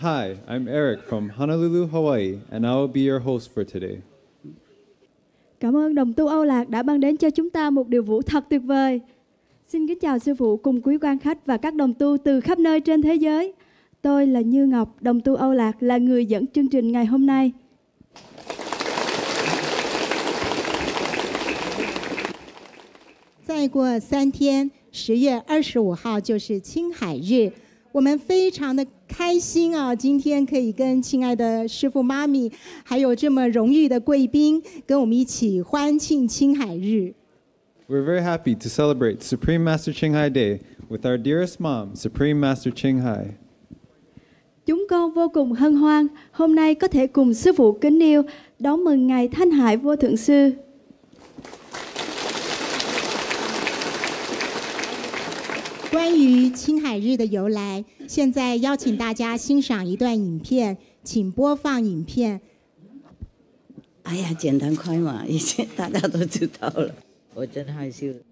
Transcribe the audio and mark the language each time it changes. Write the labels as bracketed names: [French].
[English] Hi, I'm Eric from Honolulu, Hawaii, and I will be your host for today. [Vietnamese] Cảm ơn đồng tu Âu Lạc đã mang đến cho chúng ta một điều vũ thật tuyệt vời. Xin kính chào sư phụ cùng quý quan khách và các đồng tu từ khắp nơi trên thế giới. Tôi là Như Ngọc, đồng tu Âu Lạc là người dẫn chương trình ngày hôm nay. Sau qua 3 thiên, [Chinese] 10月 25号就是青海日。我们非常的开心啊，今天可以跟亲爱的师父妈咪还有这么荣誉的贵宾跟我们一起欢庆青海日。 [English] We're very happy to celebrate Supreme Master Ching Hai Day with our dearest mom, Supreme Master Ching Hai. [Vietnamese] chúng con vô cùng hân hoan hôm nay có thể cùng sư phụ kính yêu đón mừng ngày Thanh Hải Vô Thượng Sư. [Chinese] 关于青海日的由来，现在邀请大家欣赏一段影片，请播放影片。哎呀，简单快嘛，已经大家都知道了，我真害羞。